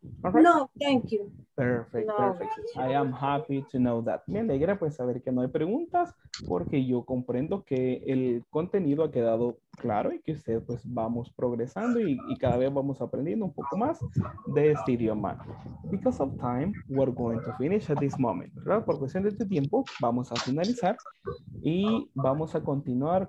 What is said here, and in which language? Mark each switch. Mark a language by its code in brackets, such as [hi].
[en] Right. No, thank you. Perfect, no. Perfect. I am happy to know that. [es] Me alegra pues saber que no hay preguntas porque yo comprendo que el contenido ha quedado claro y que ustedes pues vamos progresando y cada vez vamos aprendiendo un poco más de este idioma. [en] Because of time, we're going to finish at this moment. [es] ¿Verdad? Por cuestión de este tiempo, vamos a finalizar y vamos a continuar.